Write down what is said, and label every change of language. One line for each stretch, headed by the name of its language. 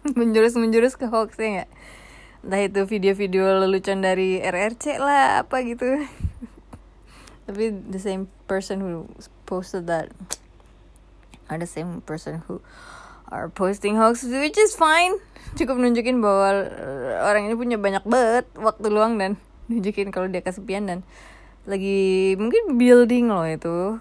Indonesian: Menjurus ke hoax, ya gak? Entah itu video-video lelucon dari RRC lah, apa gitu.
English: Tapi the same person who posted that are the same person who are posting hoax, which is fine.
Indonesian: Cukup nunjukin bahwa orang ini punya banyak banget waktu luang, dan nunjukin kalau dia kesepian dan lagi mungkin building lo itu.